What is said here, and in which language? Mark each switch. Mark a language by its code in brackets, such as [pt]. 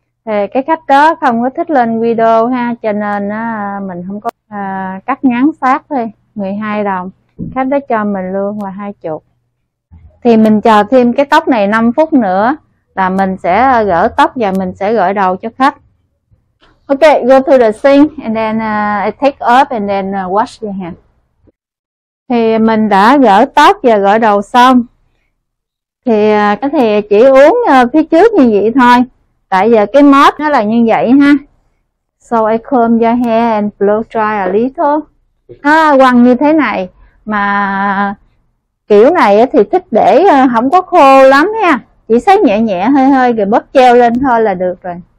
[vi] Thì cái khách đó không có thích lên video ha, cho nên mình không có cắt ngắn sát thôi, 12 đồng. Khách đó cho mình luôn là 20. Thì mình chờ thêm cái tóc này 5 phút nữa là mình sẽ gỡ tóc và mình sẽ gội đầu cho khách. [en] Ok, go to the sink and then take off and then wash your hand. [vi] Thì mình đã gỡ tóc và gội đầu xong. Thì cái thì chỉ uống phía trước như vậy thôi. Tại giờ cái mop nó là như vậy ha. [en] So I comb your hair and blow dry a little. [vi] quăng như thế này mà kiểu này thì thích để không có khô lắm nha, chỉ sấy nhẹ nhẹ hơi hơi rồi bóp treo lên thôi là được rồi.